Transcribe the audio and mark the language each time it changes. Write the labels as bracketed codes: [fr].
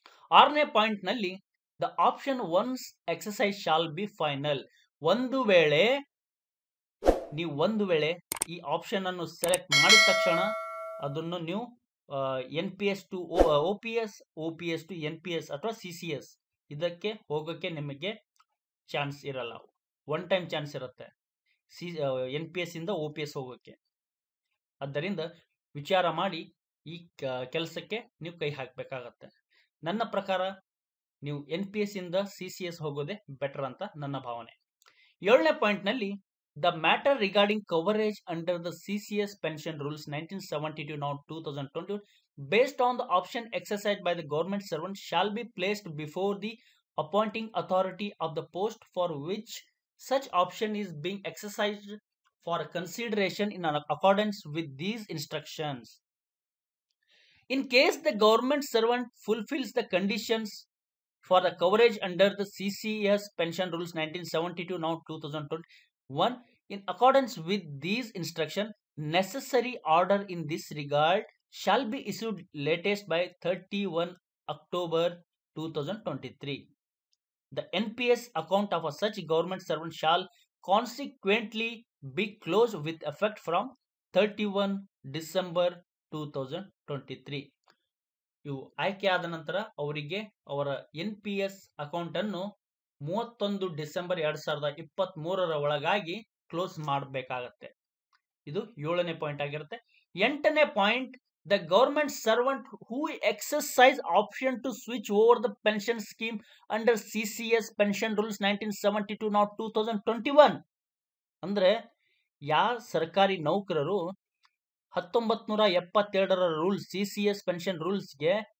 [kn] ಆರನೇ ಪಾಯಿಂಟ್ನಲ್ಲಿ [en] The option once exercise shall be final. [kn] ಒಂದು ವೇಳೆ ನೀವು ಒಂದು ವೇಳೆ ಈ ಆಪ್ಷನ್ ಅನ್ನು ಸೆಲೆಕ್ಟ್ ಮಾಡಿದ ತಕ್ಷಣ ಅದನ್ನು ನೀವು NPS to OPS, OPS to NPS ಅಥವಾ CCS ಇದಕ್ಕೆ ಹೋಗೋಕ್ಕೆ ನಿಮಗೆ ಚಾನ್ಸ್ ಇರಲ್ಲ, ಒನ್ ಟೈಮ್ ಚಾನ್ಸ್ ಇರುತ್ತೆ NPS ಇಂದ OPS ಹೋಗೋಕ್ಕೆ. ಆದ್ದರಿಂದ ವಿಚಾರ ಮಾಡಿ ಈ ಕೆಲಸಕ್ಕೆ ನೀವು ಕೈ ಹಾಕಬೇಕಾಗತ್ತೆ. ನನ್ನ ಪ್ರಕಾರ ನೀವು NPS ಇಂದ CCS ಹೋಗೋದೇ ಬೆಟರ್ ಅಂತ ನನ್ನ ಭಾವನೆ. ಏಳನೇ ಪಾಯಿಂಟ್ನಲ್ಲಿ [en] The matter regarding coverage under the CCS pension rules 1972 not 2021 based on the option exercise by the government servant shall be placed before the appointing authority of the post for which such option is being exercised for consideration in accordance with these instructions. In case the government servant fulfils the conditions for the coverage under the CCS pension rules 1972 now 2021 in accordance with these instruction necessary order in this regard shall be issued latest by 31 October 2023. The NPS account of a such government servant shall consequently be closed with effect from 31 December 2023. [kn] ಇವು ಆಯ್ಕೆ ಆದ ನಂತರ ಅವರಿಗೆ ಅವರ NPS ಅಕೌಂಟನ್ನು 31 December 2023 ಒಳಗಾಗಿ close ಮಾಡಬೇಕಾಗತ್ತೆ. ಇದು ಏಳನೇ ಪಾಯಿಂಟ್ ಆಗಿರುತ್ತೆ. ಎಂಟನೇ point, [en] the government servant who exercise option to switch over the pension scheme under CCS pension rules 1972 not 2021 [kn] ಅಂದರೆ ಯಾವ ಸರ್ಕಾರಿ ನೌಕರರು 1972 ರೂಲ್ಸ್ CCS ಪೆನ್ಷನ್ ರೂಲ್ಸ್ಗೆ